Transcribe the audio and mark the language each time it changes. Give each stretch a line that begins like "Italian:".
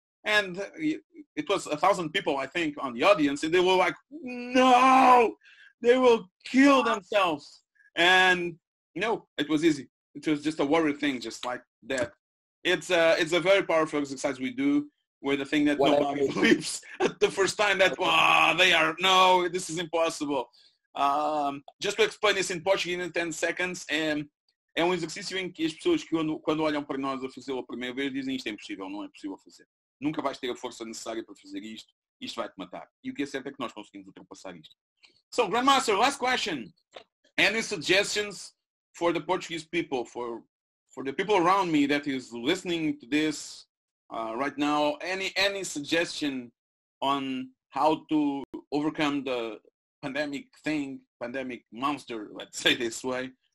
English: And it was 1,000 people, I think, on the audience, and they were like, no, they will kill themselves. And no, it was easy. It was just a worry thing, just like that. It's a very powerful exercise we do with the thing that nobody believes at the first time that, wow, this is impossible. Just to explain this in Portuguese in 10 seconds,
Portuguese: é um exercício em que as pessoas que quando olham para nós a fazê-lo a primeira vez dizem isto é impossível, não é possível fazer. Nunca vais ter a força necessária para fazer isto. Isto vai-te matar. E o que é certo é que nós conseguimos ultrapassar isto.
English: So, Grandmaster, last question. Any suggestions for the Portuguese people, for the people around me that is listening to this right now, any suggestion on how to overcome the pandemic thing, pandemic monster, let's say this way?